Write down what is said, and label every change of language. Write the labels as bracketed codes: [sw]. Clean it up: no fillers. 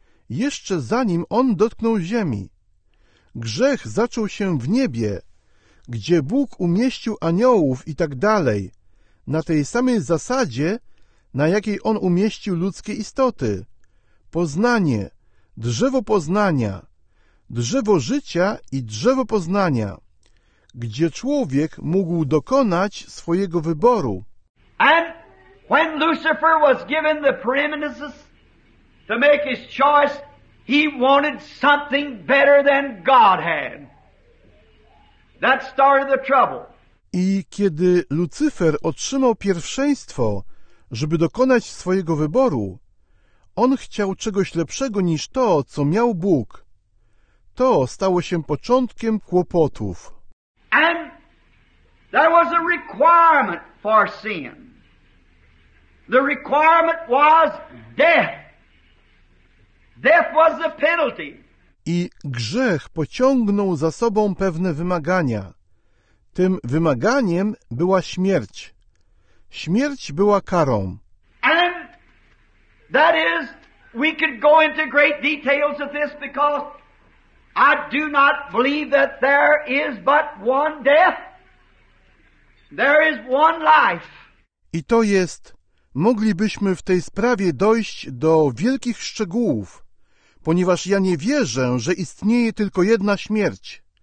[pl] jeszcze zanim on dotknął ziemi. Grzech zaczął się w niebie, gdzie Bóg umieścił aniołów i tak dalej, na tej samej zasadzie, na jakiej on umieścił ludzkie istoty. Poznanie, drzewo poznania, drzewo życia i drzewo poznania, gdzie człowiek mógł dokonać swojego wyboru. [en] And when Lucifer was given the preeminence to make his choice, he wanted something better than God had. That started the trouble. [pl] I kiedy Lucyfer otrzymał pierwszeństwo, żeby dokonać swojego wyboru, on chciał czegoś lepszego niż to, co miał Bóg. To stało się początkiem kłopotów. [en] And there was a requirement for sin. The requirement was death. Death was the penalty. [pl] I grzech pociągnął za sobą pewne wymagania. Tym wymaganiem była śmierć. Śmierć była karą. [en] And that is, we could go into great details of this because I do not believe that there is but one death. There is one life. [pl] I to jest, moglibyśmy w tej sprawie dojść do wielkich szczegółów. Ponieważ ja nie wierzę, że istnieje tylko jedna śmierć.